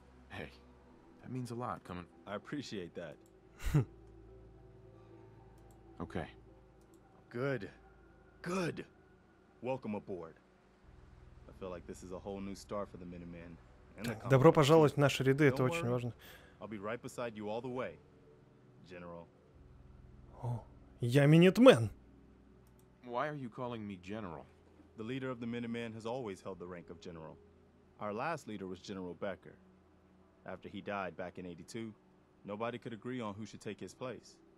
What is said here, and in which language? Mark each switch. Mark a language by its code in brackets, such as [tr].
[en] Hey, that means a lot coming. I appreciate that. Okay. Good. Good. Welcome aboard. I feel like this is a whole new star for the Minutemen. [ru] Добро пожаловать в наши ряды, это очень важно. [en] I'll be right beside you all the way, General. [ru] Oh, я Минутмен. [en] Why are you calling me General? The leader of the Minutemen has always held the rank of General. Our last leader was General Becker. After he died back in 82, nobody could agree on who should take his place.